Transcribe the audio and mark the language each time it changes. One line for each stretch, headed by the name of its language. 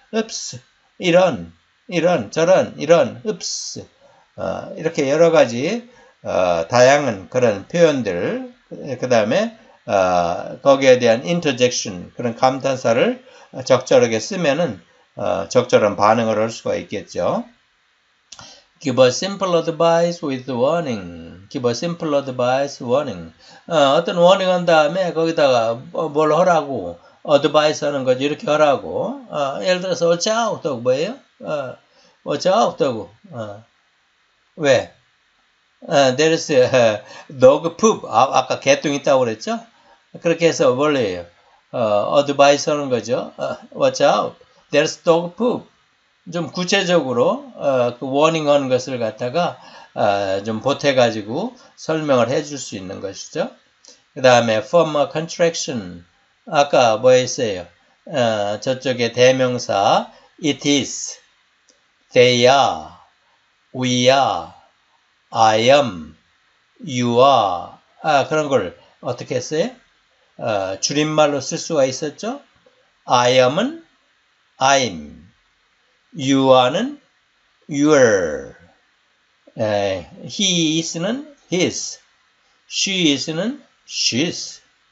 Korean: 읍스 이런 저런 이런 읍스 이렇게 여러 가지 다양한 그런 표현들 그 다음에 거기에 대한 인터젝션 그런 감탄사를 적절하게 쓰면은 적절한 반응을 할 수가 있겠죠.
English: Give a simple advice with warning. Give a simple advice warning.
Korean: 어떤 warning한 다음에 거기다가 뭘 하라고. 어드바이스 하는 거지 이렇게 하라고 예를 들어서
English: watch out
Korean: 하고 뭐예요?
English: watch out
Korean: 하고 왜?
English: there is a dog poop
Korean: 아까 개똥 있다고 그랬죠? 그렇게 해서 원래 어드바이스 하는 거죠
English: watch out there's dog poop
Korean: 좀 구체적으로 그 워닝하는 것을 갖다가 좀 보태 가지고 설명을 해줄 수 있는 것이죠. 그다음에
English: form a contraction.
Korean: 아까 뭐 했어요? 저쪽에 대명사
English: it is, they are, we are, I am, you are.
Korean: 그런 걸 어떻게 했어요? 줄임말로 쓸 수가 있었죠?
English: I am은 I'm. You are는 your. He is는 his. She is는 she's.